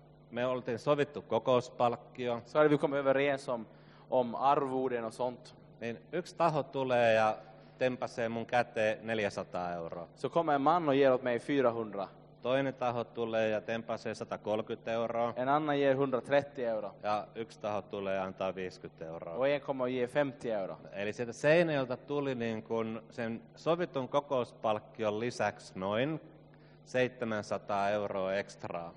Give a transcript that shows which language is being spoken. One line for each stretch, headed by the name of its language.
Finnish: me oltiin sovittu kokouspalkkio.
Swedish: Så hade vi kommit överens om arvoden och sånt.
Finnish: Niin yksi taho tulee ja tempasee mun käteen 400 €.
Swedish: Så kommer en man och ger åt mig 400.
Finnish: Toinen taho tulee ja tempasee 130 €.
Swedish: En annan ger 130 €.
Finnish: Ja yksi taho tulee ja antaa 50 €.
Swedish: Och en kommer ge 50 €.
Finnish: Eli sieltä Seinäjoelta tuli niin kun sen sovitun kokouspalkkion lisäksi noin 700 € extra.